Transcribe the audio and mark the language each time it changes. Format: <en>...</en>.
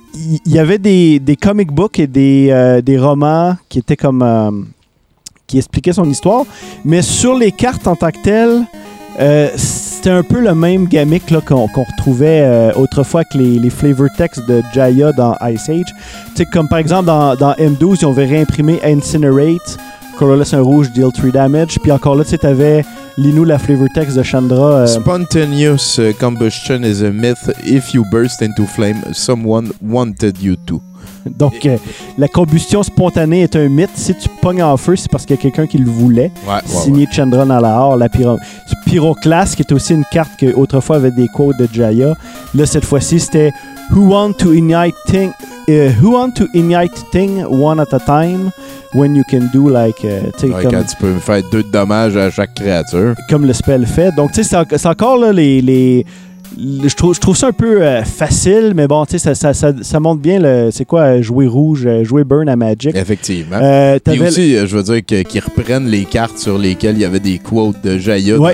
<fr>Il y avait des comic books et des romans qui étaient comme qui expliquaient son histoire, mais sur les cartes en tant que telles, c'était un peu le même gimmick là, qu'on retrouvait autrefois avec les flavor text de Jaya dans Ice Age. T'sais, comme par exemple dans M12, ils avaient réimprimé Incinerate, colorless un rouge,</fr> <en>deal 3 damage,</en> <fr>puis encore là, tu avais... Lis-nous la flavor text de Chandra.</fr> <en>Spontaneous combustion is a myth. If you burst into flame, someone wanted you to.</en> <fr>Donc, la combustion spontanée est un mythe. Si tu pognes en feu, c'est parce qu'il y a quelqu'un qui le voulait. Ouais, signé ouais. Chandra Nalahar, la pyroclaste, qui est aussi une carte qui autrefois avait des quotes de Jaya. Là, cette fois-ci, c'était «</fr> <en>Who want to ignite things? » Who want to ignite thing one at a time when you can do like...</en> <fr>Ouais, comme, quand tu peux faire deux de dommages à chaque créature. Comme le spell fait. Donc, tu sais, c'est encore là, les je trouve ça un peu facile, mais bon, tu sais, ça montre bien le, c'est quoi jouer rouge, jouer burn à Magic. Effectivement. Et aussi, je veux dire que, qu'ils reprennent les cartes sur lesquelles il y avait des quotes de Jaya ouais.</fr>